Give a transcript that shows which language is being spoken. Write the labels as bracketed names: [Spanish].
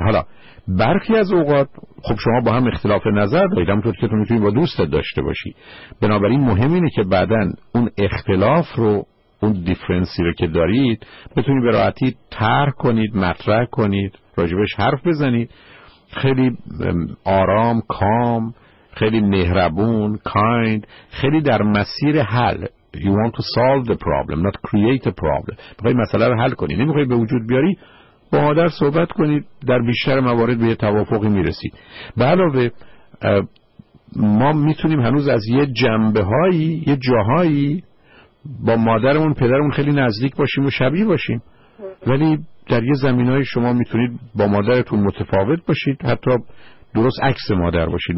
[Persian] حالا برخی از اوقات خب شما با هم اختلاف نظر دارید، همونطور که تو میتونی با دوستت داشته باشی، بنابراین مهم اینه که بعدن اون اختلاف رو، اون دیفرنسی رو که دارید، بتونی به راحتی طرح کنید، مطرح کنید، راجبش حرف بزنید، خیلی آرام، کام، خیلی مهربون، کایند، خیلی در مسیر حل. [English] You want to solve the problem, not create a problem. [Persian] میخوایی مسئله رو حل کنی، نمیخوایی به وجود بیاری، با مادر صحبت کنی، در بیشتر موارد به یه توافقی میرسی. به علاوه ما میتونیم هنوز از یه جنبه هایی یه جاهایی با مادرمون پدرمون خیلی نزدیک باشیم و شبیه باشیم، ولی در یه زمینای شما میتونید با مادرتون متفاوت باشید، حتی درست عکس مادر باشید.